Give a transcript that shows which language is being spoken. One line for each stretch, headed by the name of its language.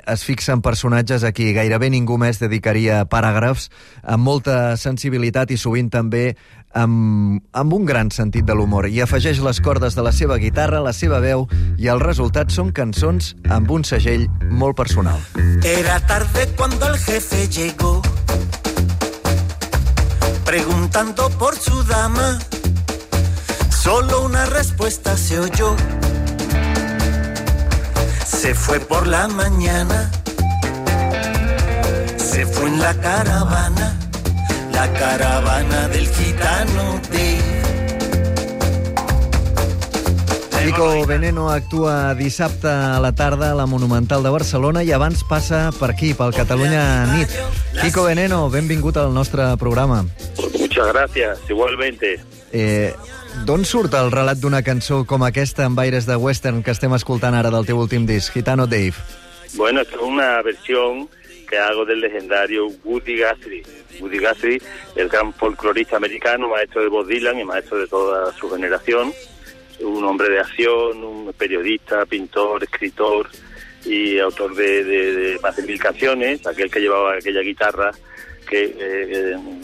Catalan: Es fixa en personatges a qui gairebé ningú més dedicaria paràgrafs, amb molta sensibilitat i sovint també amb un gran sentit de l'humor. I afegeix les cordes de la seva guitarra, la seva veu, i el resultat són cançons amb un segell molt personal.
Spanish: Era tarde cuando el jefe llegó preguntando por su dama. Solo una respuesta se oyó. Se fue por la mañana. Se fue en la caravana del gitano de...
Catalan: Nico Veneno actua dissabte a la tarda a la Monumental de Barcelona i abans passa per aquí, pel Catalunya Nit. Nico Veneno, benvingut al nostre programa.
Spanish: Muchas gracias, igualmente.
Catalan: D'on surt el relat d'una cançó com aquesta amb aires de western que estem escoltant ara del teu últim disc, Gitano Dave?
Spanish: Bueno, es una versión que hago del legendario Woody Guthrie. Woody Guthrie, el gran folclorista americano, maestro de Bob Dylan y maestro de toda su generación. Un hombre de acción, un periodista, pintor, escritor y autor de más de 1000 canciones, aquel que llevaba aquella guitarra que...